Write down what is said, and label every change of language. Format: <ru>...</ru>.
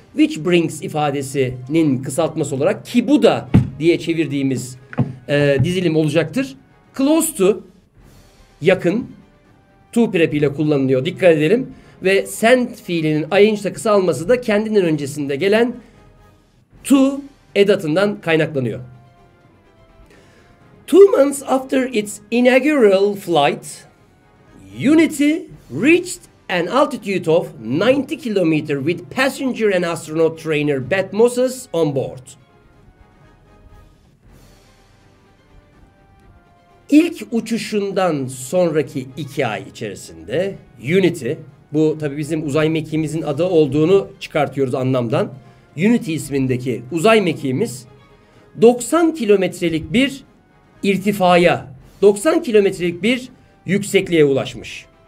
<en>Which brings</en> <tr>ifadesinin kısaltması olarak, ki bu da diye çevirdiğimiz dizilim olacaktır.</tr> <en>Close to,</en> <tr>yakın, to prep ile kullanılıyor, dikkat edelim. Ve send fiilinin ing ile kısalması da kendinden öncesinde gelen to edatından kaynaklanıyor.</tr> <en>2 months after its inaugural flight, Unity reached an altitude of 90 kilometer with passenger and astronaut trainer Beth Moses on board.</en> <tr>İlk uçuşundan sonraki 2 ay içerisinde Unity, bu tabii bizim uzay mekiğimizin adı olduğunu çıkartıyoruz anlamdan. Unity ismindeki uzay mekiğimiz 90 kilometrelik bir irtifaya, 90 kilometrelik bir yüksekliğe ulaşmış.</tr>